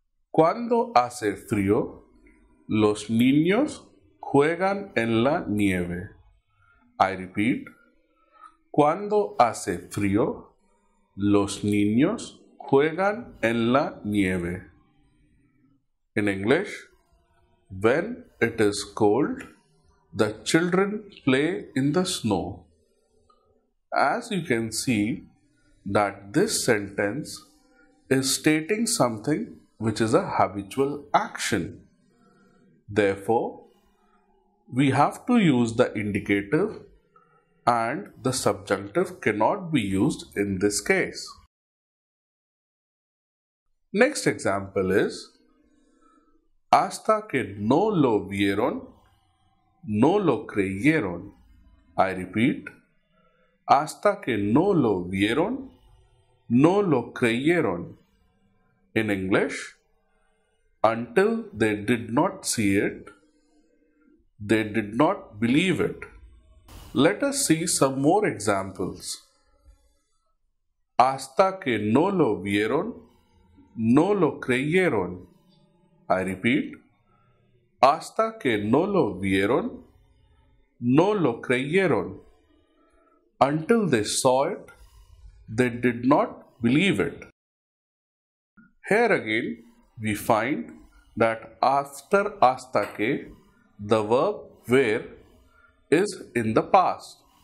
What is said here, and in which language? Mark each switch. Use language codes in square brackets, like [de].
[es] Cuando hace frío, los niños juegan en la nieve. [en] I repeat. [es] Cuando hace frío, los niños juegan en la nieve. [en] In English, when it is cold, the children play in the snow. As you can see that this sentence is stating something which is a habitual action. Therefore, we have to use the indicative and the subjunctive cannot be used in this case. Next example is, [es] hasta que no lo vieron, no lo creyeron. [en] I repeat, [es] hasta que no lo vieron, no lo creyeron. [en] In English, until they did not see it, they did not believe it. Let us see some more examples. [es] Hasta que no lo vieron, no lo creyeron. [en] I repeat, [es] hasta que no lo vieron, no lo creyeron. [en] Until they saw it, they did not believe it. Here again, we find that after hasta que, the verb where is in the past.